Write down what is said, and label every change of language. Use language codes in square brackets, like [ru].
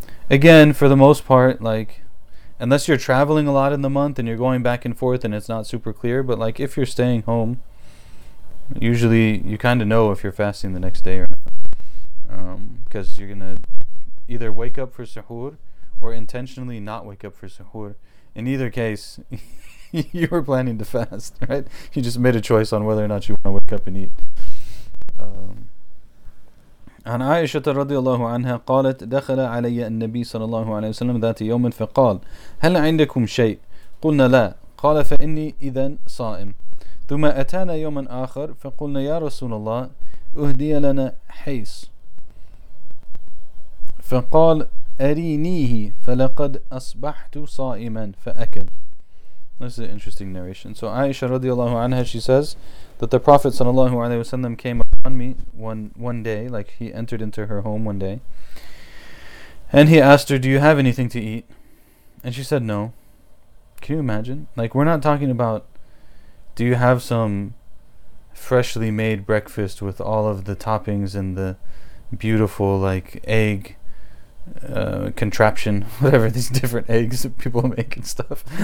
[en] Again, for the most part, like, unless you're traveling a lot in the month and you're going back and forth and it's not super clear, but like if you're staying home, usually you kind of know if you're fasting the next day or not. Because you're going to either wake up for suhoor or intentionally not wake up for suhoor. In either case, you were planning to fast, right? You just made a choice on whether or not you want to wake up and eat. [ar] عن عائشة رضي الله عنها قالت دخل علي النبي صلى الله عليه وسلم ذات يوم فقال هل عندكم شيء؟ قلنا لا. قال فإني إذن صائم. ثم أتانا يوما آخر فقلنا يا رسول الله أهدي لنا حيس فقال أرينيه فلقد أصبحت صائما فأكل. [en] This is an interesting narration. So Aisha radiallahu anha, she says that the Prophet sallallahu alayhi wa sallam came upon me one day, like he entered into her home one day, and he asked her, "Do you have anything to eat?" And she said, "No." Can you imagine? Like, we're not talking about, do you have some freshly made breakfast with all of the toppings and the beautiful, like, egg contraption, whatever these different eggs that people make and stuff.